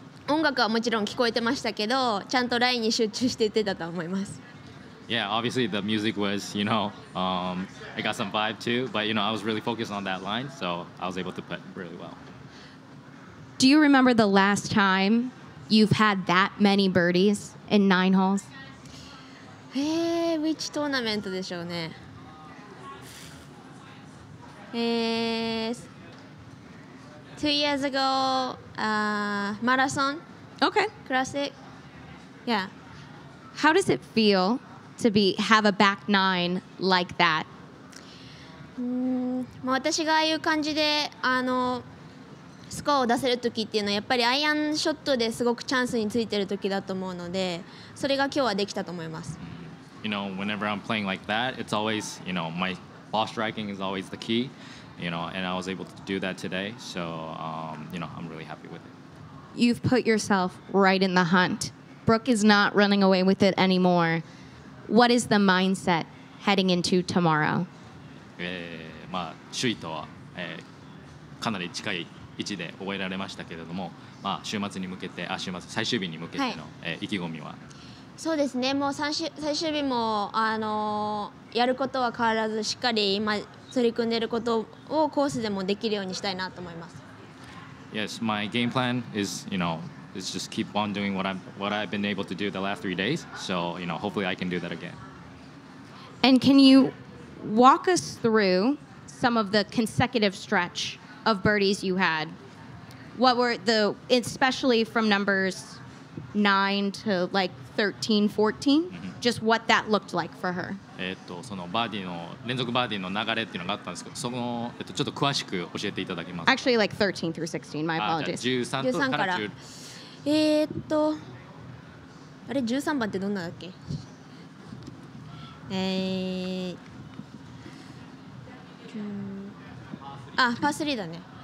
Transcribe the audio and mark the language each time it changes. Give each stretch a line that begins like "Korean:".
Japanese: 音楽はもちろん聞こえてましたけど、ちゃんとラインに集中して打てたと思います。
English: Yeah, obviously the music was, you know, I got some vibe too, but you know, I was really focused on that line, so I was able to putt really well. Do you remember the last time you've had that many birdies in nine holes? Which tournament
Japanese: でしょうね。
English: 2 years ago, marathon. Okay. Classic. Yeah. How does it feel to be have a back nine like that?
Japanese: まあ私がああいう感じでスコアを出せる時っていうのはやっぱりアイアンショットですごくチャンスについてる時だと思うので、それが今日はできたと思います。
English: You know, whenever I'm playing like that, it's always, you know, my ball striking is always the key, you know, and I was able to do that today, so you know, I'm really happy with it. You've put yourself right in the hunt. Brooke is not running away with it anymore. What is the mindset heading into tomorrow?
Japanese: まあ、首位とは、かなり近い位置で終えられましたけれども、まあ、週末に向けて、最終日に向けての、はい、意気込みは。そうですね、もう最終日も、やることは変わらず、しっかり今取り組んでいることをコースでもできるようにしたいなと思います。
English: Yes, my game plan is, you know,is just keep on doing what I've been able to do the last 3 days. So, you know, hopefully I can do that again. And can you walk us through some of the consecutive stretch of birdies you had? What were the, especially from numbers 9 to like 13, 14, just what that looked like for her?
Japanese: そのバーディーの、連続バーディーの流れっていうのがあったんですけど、その、ちょっと詳しく教えていただけますか?
English: Actually like 13 through 16, my apologies.
Japanese: 13から 10… あれ13番ってどんなだっけ、パー3だね。